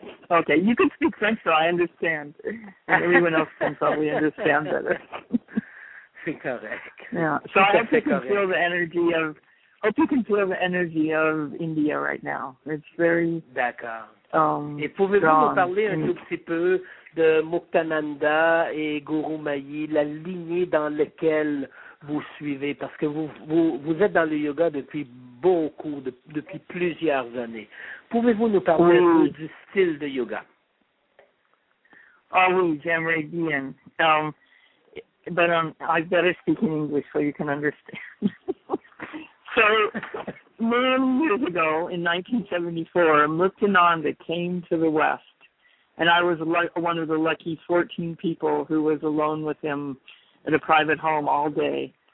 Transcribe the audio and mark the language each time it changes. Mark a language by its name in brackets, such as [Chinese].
[English] Okay, you can speak French, so I understand. And everyone else can probably understand better. [French] C'est correct. [English] Yeah. So I hope you can feel the energy of. Hope you can feel the energy of India right now. It's very. [French] D'accord. Et pouvez-vous nous parler un tout petit peu de Muktananda et Guru Mayi, la lignée dans laquelle vous suivez, parce que vous êtes dans le yoga depuis beaucoup, depuis plusieurs années. Pouvez-vous nous parler du style de yoga? Ah oh, oui, j'aimerais bien. [English] But I better speak in English so you can understand. So, many years ago, in 1974, Muktananda came to the West, and I was one of the lucky 14 people who was alone with him at a private home all day.